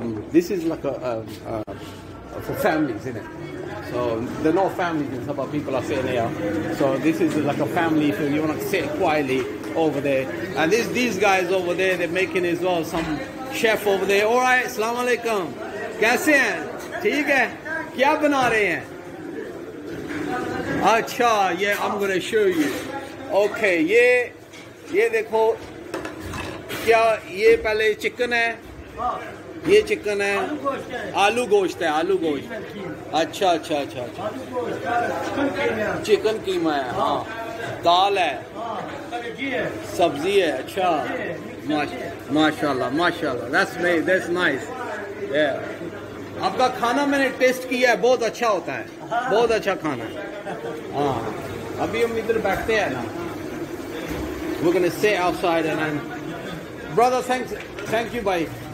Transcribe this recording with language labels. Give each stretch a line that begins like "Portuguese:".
English: This is like a for families, isn't it? So they're not families, it's about people are sitting here. So this is like a family feel. You want to sit quietly over there. And these guys over there, they're making as well, some chef over there. All right, assalamu alaikum.
Urdu: کیسے ہیں؟ ٹھیک ہے؟ کیا بنا رہے ہیں؟
English: Acha, yeah, I'm going to show you.
Urdu: Okay, یہ دیکھو۔ کیا یہ پہلے چکن ہے؟ یہ چکن ہے۔ Aloo gosht hai. Acha. Chicken قیمہ ہے۔ Ha. دال ہے۔ Ha. Sabzi hai. Acha. Mashallah.
English: That's nice. Yeah.
Urdu: آپکا کھانا میں نے ٹیسٹ کیا ہے۔ بہت اچھا ہوتا ہے۔ بہت اچھا کھانا ہے۔ Ha. ابھی ہم ادھر بیٹھتے ہیں نا۔
English: We're going to sit outside and then. Brother, thanks. Thank you, بھائی۔